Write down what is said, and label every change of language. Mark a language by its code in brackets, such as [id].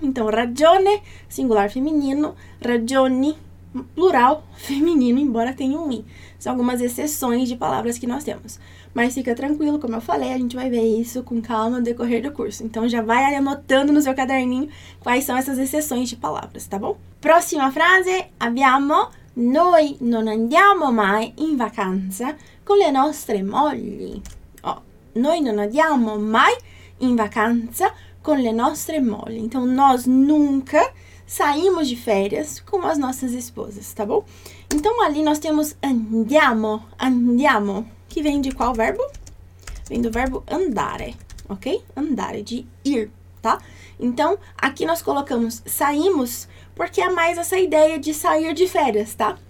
[pt] Então, ragione, singular feminino, ragioni, plural feminino, embora tenha um i. São algumas exceções de palavras que nós temos. Mas fica tranquilo, como eu falei, a gente vai ver isso com calma no decorrer do curso. Então, já vai anotando no seu caderninho quais são essas exceções de palavras, tá bom? [it] Próxima frase, abbiamo: noi non andiamo mai in vacanza con le nostre mogli. Ó, noi non andiamo mai in vacanza con le nostre mogli. [pt] Então, nós nunca saímos de férias com as nossas esposas, tá bom? Então, ali nós temos andiamo, andiamo, que vem de qual verbo? Vem do verbo andare, ok? Andare, de ir, tá? Então, aqui nós colocamos saímos porque é mais essa ideia de sair de férias, tá?